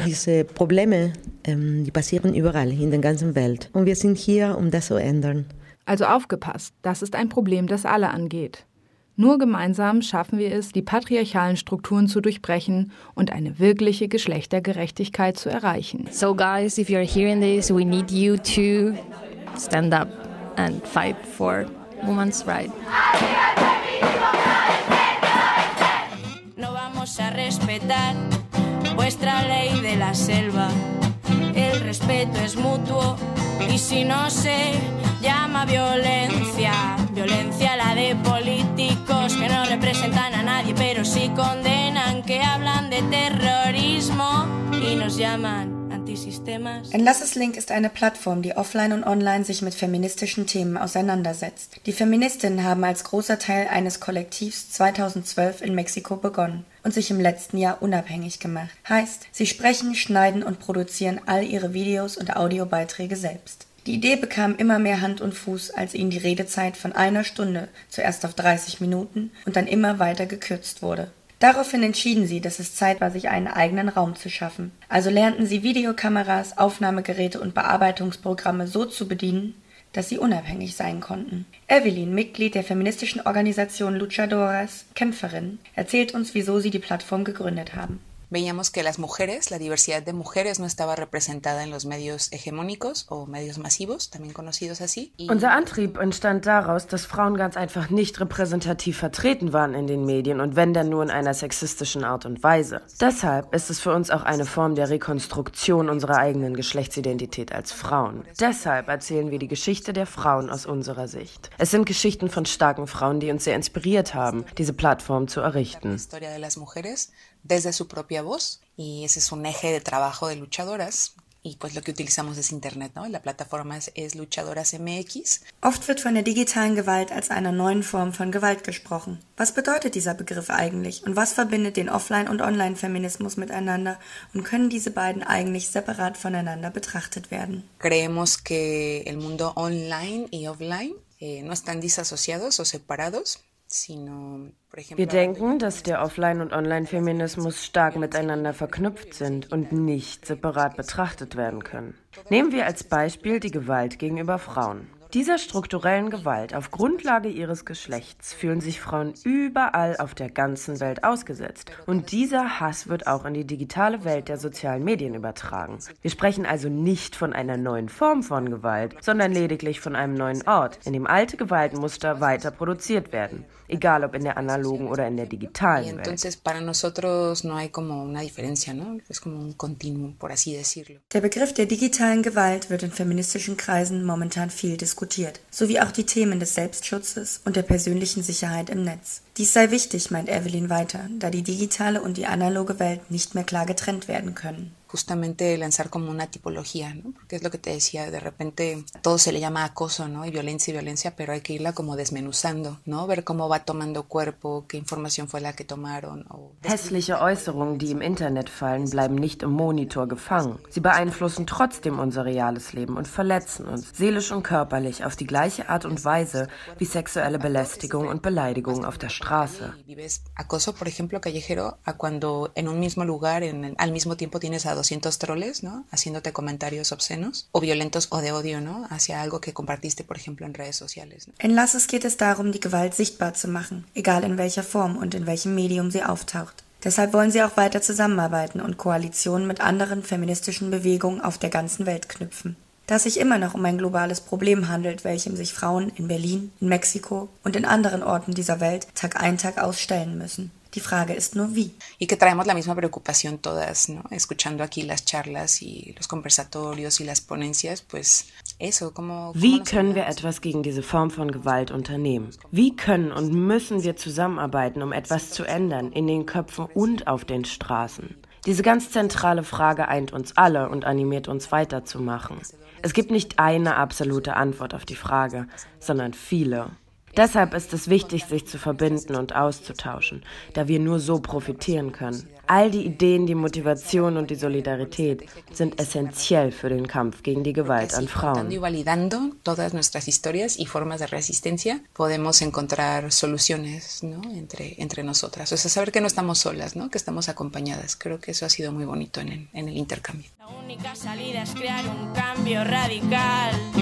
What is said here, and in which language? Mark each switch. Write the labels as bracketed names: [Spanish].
[German] Diese Probleme, die passieren überall in der ganzen Welt. Und wir sind hier, um das zu ändern. Also aufgepasst, das ist ein Problem, das alle angeht. Nur gemeinsam schaffen wir es, die patriarchalen Strukturen zu durchbrechen und eine wirkliche Geschlechtergerechtigkeit zu erreichen. [English] So guys, if you're hearing this, we need you to stand up and fight for women's rights. [Spanish] No vamos a respetar vuestra ley de la selva. El respeto es mutuo y si no se llama violencia. Violencia la de políticos que no representan a nadie, pero sí condenan que hablan de terrorismo y nos llaman antisistemas. [German] Enlaces Link ist eine Plattform, die offline und online sich mit feministischen Themen auseinandersetzt. Die Feministinnen haben als großer Teil eines Kollektivs 2012 in Mexiko begonnen und sich im letzten Jahr unabhängig gemacht. Heißt, sie sprechen, schneiden und produzieren all ihre Videos und Audiobeiträge selbst. Die Idee bekam immer mehr Hand und Fuß, als ihnen die Redezeit von einer Stunde zuerst auf 30 Minuten und dann immer weiter gekürzt wurde. Daraufhin entschieden sie, dass es Zeit war, sich einen eigenen Raum zu schaffen. Also lernten sie Videokameras, Aufnahmegeräte und Bearbeitungsprogramme so zu bedienen, dass sie unabhängig sein konnten. Evelyn, Mitglied der feministischen Organisation Luchadoras, Kämpferin, erzählt uns, wieso sie die Plattform gegründet haben. [Spanish] Veíamos que las mujeres, la diversidad de mujeres no estaba representada en los medios hegemónicos o medios masivos, también conocidos así. [German] Unser Antrieb entstand daraus, dass Frauen ganz einfach nicht repräsentativ vertreten waren in den Medien und wenn, dann nur in einer sexistischen Art und Weise. Deshalb ist es für uns auch eine Form der Rekonstruktion unserer eigenen Geschlechtsidentität als Frauen. Deshalb erzählen wir die Geschichte der Frauen aus unserer Sicht. Es sind Geschichten von starken Frauen, die uns sehr inspiriert haben, diese Plattform zu errichten. [Spanish] Desde su propia voz, y ese es un eje de trabajo de luchadoras, Y pues lo que utilizamos es Internet, ¿no? La plataforma es Luchadoras MX. [German] Oft wird von der digitalen Gewalt als einer neuen Form von Gewalt gesprochen. Was bedeutet dieser Begriff eigentlich? Und was verbindet den Offline- und Online-Feminismus miteinander? Und können diese beiden eigentlich separat voneinander betrachtet werden? [Spanish] Creemos que el mundo online y offline no están disasociados o separados. [German] Wir denken, dass der Offline- und Online-Feminismus stark miteinander verknüpft sind und nicht separat betrachtet werden können. Nehmen wir als Beispiel die Gewalt gegenüber Frauen. Dieser strukturellen Gewalt auf Grundlage ihres Geschlechts fühlen sich Frauen überall auf der ganzen Welt ausgesetzt. Und dieser Hass wird auch in die digitale Welt der sozialen Medien übertragen. Wir sprechen also nicht von einer neuen Form von Gewalt, sondern lediglich von einem neuen Ort, in dem alte Gewaltmuster weiter produziert werden, egal ob in der analogen oder in der digitalen Welt. [Spanish] Entonces para nosotros no hay como una diferencia, ¿no? Es como un continuum, por así decirlo. [German] Der Begriff der digitalen Gewalt wird in feministischen Kreisen momentan viel diskutiert, sowie auch die Themen des Selbstschutzes und der persönlichen Sicherheit im Netz. Dies sei wichtig, meint Evelyn weiter, da die digitale und die analoge Welt nicht mehr klar getrennt werden können. [Spanish] Justamente lanzar como una tipología, ¿no? Porque es lo que te decía, de repente todo se le llama acoso, ¿no? Y violencia, pero hay que irla como desmenuzando, ¿no? Ver cómo va tomando cuerpo, qué información fue la que tomaron. [German] Hässliche Äußerungen, die im Internet fallen, bleiben nicht im Monitor gefangen. Sie beeinflussen trotzdem unser reales Leben und verletzen uns, seelisch und körperlich, auf die gleiche Art und Weise wie sexuelle Belästigung und Beleidigung auf der Straße. [Spanish] Vives acoso, por ejemplo, callejero, a cuando en un mismo lugar, al mismo tiempo tienes 200 troles, ¿no? Haciéndote comentarios obscenos o violentos o de odio, ¿no? Hacia algo que compartiste, por ejemplo, en redes sociales, ¿no? [German] En Lasses geht es darum, die Gewalt sichtbar zu machen, egal in welcher Form und in welchem Medium sie auftaucht. Deshalb wollen sie auch weiter zusammenarbeiten und Koalitionen mit anderen feministischen Bewegungen auf der ganzen Welt knüpfen. Da es sich immer noch um ein globales Problem handelt, welchem sich Frauen in Berlin, in Mexiko und in anderen Orten dieser Welt Tag ein Tag ausstellen müssen. Die Frage ist nur wie. [Spanish] Y que traemos la misma preocupación todas, ¿no? Escuchando aquí las charlas y los conversatorios y las ponencias, pues eso, como... [German] Wie können wir etwas gegen diese Form von Gewalt unternehmen? Wie können und müssen wir zusammenarbeiten, um etwas zu ändern, in den Köpfen und auf den Straßen? Diese ganz zentrale Frage eint uns alle und animiert uns weiterzumachen. Es gibt nicht eine absolute Antwort auf die Frage, sondern viele. Deshalb ist es wichtig, sich zu verbinden und auszutauschen, da wir nur so profitieren können. All die Ideen, die Motivation und die Solidarität sind essentiell für den Kampf gegen die Gewalt an Frauen. [Spanish] Y validando todas nuestras historias y formas de resistencia, podemos encontrar soluciones, ¿no? entre nosotras. O sea, saber que no estamos solas, ¿no? Que estamos acompañadas. Creo que eso ha sido muy bonito en el intercambio. La única salida es crear un cambio radical.